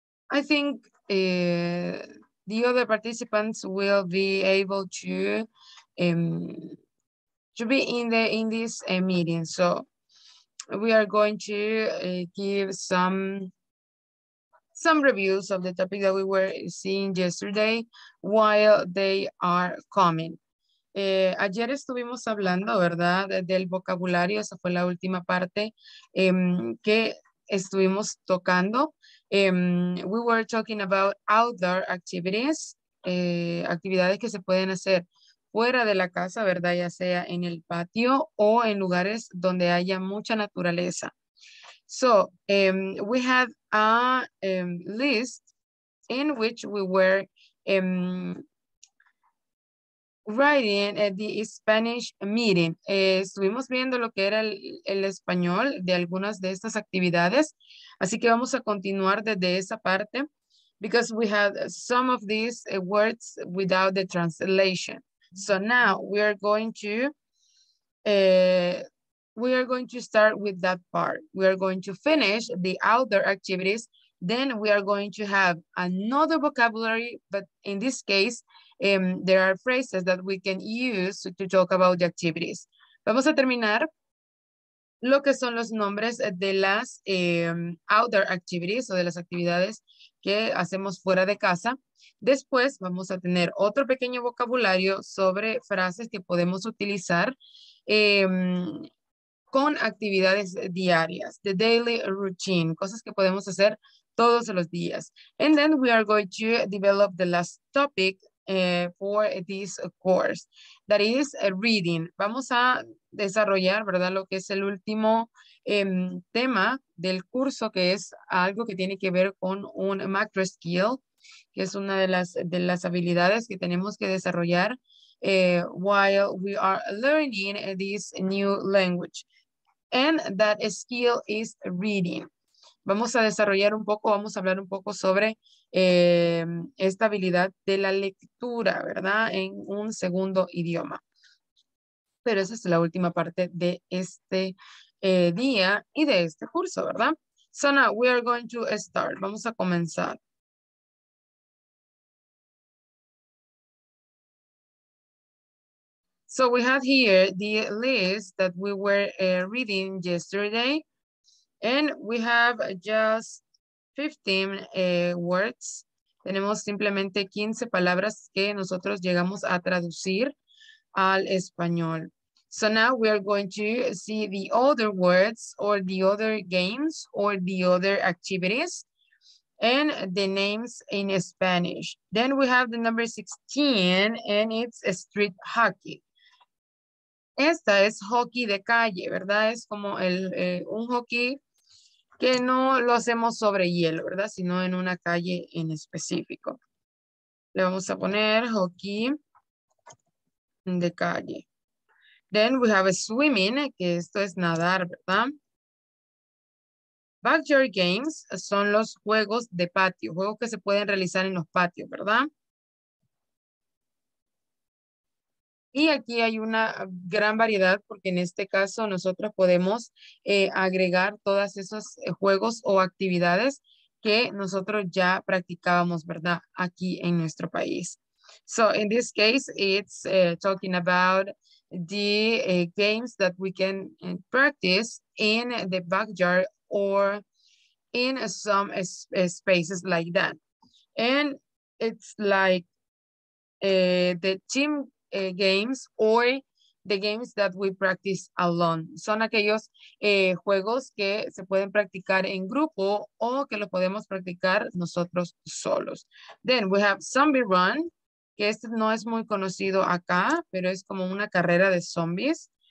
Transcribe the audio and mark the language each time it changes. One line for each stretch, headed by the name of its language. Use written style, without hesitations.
English: I think the other participants will be able to be in this meeting. So we are going to give some reviews of the topic that we were seeing yesterday while they are coming.
Spanish: Ayer estuvimos hablando, ¿verdad?, del vocabulario. Esa fue la última parte que estuvimos tocando.
English: We were talking about outdoor activities,
Spanish: actividades que se pueden hacer fuera de la casa, ¿verdad?, ya sea en el patio o en lugares donde haya mucha naturaleza.
English: So, we had a list in which we were writing at the Spanish meeting.
Spanish: Estuvimos viendo lo que era el español de algunas de estas actividades. Así que vamos a continuar desde esa parte.
English: Because we had some of these words without the translation. So now we are going to start with that part. We are going to finish the outdoor activities. Then we are going to have another vocabulary, but in this case, there are phrases that we can use to talk about the activities.
Spanish: Vamos a terminar lo que son los nombres de las outdoor activities o de las actividades que hacemos fuera de casa. Después vamos a tener otro pequeño vocabulario sobre frases que podemos utilizar con actividades diarias,
English: the daily routine,
Spanish: cosas que podemos hacer todos los días.
English: And then we are going to develop the last topic for this course, that is reading.
Spanish: Vamos a desarrollar, ¿verdad?, lo que es el último tema del curso, que es algo que tiene que ver con un macro skill, que es una de las habilidades que tenemos que desarrollar
English: while we are learning this new language. And that skill is reading.
Spanish: Vamos a desarrollar un poco, vamos a hablar un poco sobre esta habilidad de la lectura, ¿verdad? En un segundo idioma. Pero esa es la última parte de este día y de este curso, ¿verdad?
English: So now we are going to start.
Spanish: Vamos a comenzar.
English: So we have here the list that we were reading yesterday. And we have just 15 words.
Spanish: Tenemos simplemente 15 palabras que nosotros llegamos a traducir al español.
English: So now we are going to see the other words or the other games or the other activities and the names in Spanish. Then we have the number 16 and it's street hockey.
Spanish: Esta es hockey de calle, ¿verdad? Es como un hockey que no lo hacemos sobre hielo, ¿verdad? Sino en una calle en específico. Le vamos a poner hockey de calle.
English: Then we have a swimming,
Spanish: que esto es nadar, ¿verdad? Backyard games son los juegos de patio, juegos que se pueden realizar en los patios, ¿verdad? Y aquí hay una gran variedad porque en este caso nosotros podemos agregar todos esos juegos o actividades que nosotros ya practicábamos, ¿verdad? Aquí en nuestro país.
English: So in this case, it's talking about the games that we can practice in the backyard or in some spaces like that. And it's like The team games or the games that we practice alone.
Spanish: Son aquellos juegos que se pueden practicar en grupo o que lo podemos practicar nosotros solos.
English: Then we have
Spanish: Zombie Run, que este no es muy conocido acá, pero es como una carrera de zombies.